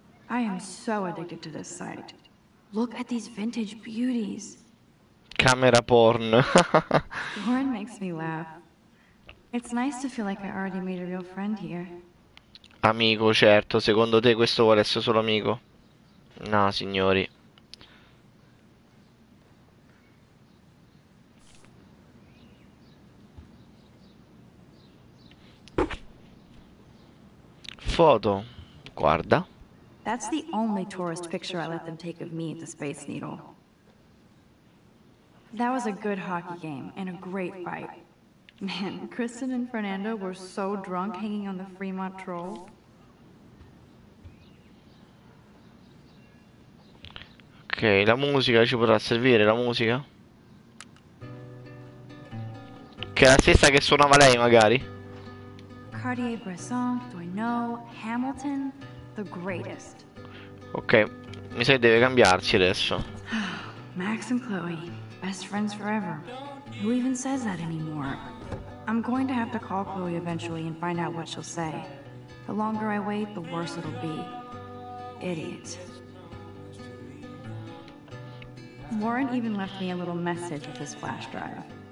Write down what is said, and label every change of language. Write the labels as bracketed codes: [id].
[en] I am so addicted to this site. Look at these vintage beauties. Camera porn. Porn makes me laugh. It's nice to feel like I already made a real friend here. [it] Amico, certo. Secondo te questo vuole essere solo amico? No, signori. Foto. Guarda. [en] That's the only tourist picture I let them take of me at the Space Needle. That was a good hockey game and a great fight. Man, Kristen and Fernando were so drunk hanging on the Fremont Troll. [it] Ok, la musica ci potrà servire, la musica? Che è la stessa che suonava lei, magari? [en] Cartier-Bresson, Doisneau, Hamilton, the greatest. [it] Ok, mi sa che deve cambiarsi adesso. [en] Max and Chloe, best friends forever. Who even says that anymore? I'm going to have to call Chloe eventually and find out what she'll say. The longer I wait, the worse it'll be. Idiot. Warren even left me a little message with his flash drive.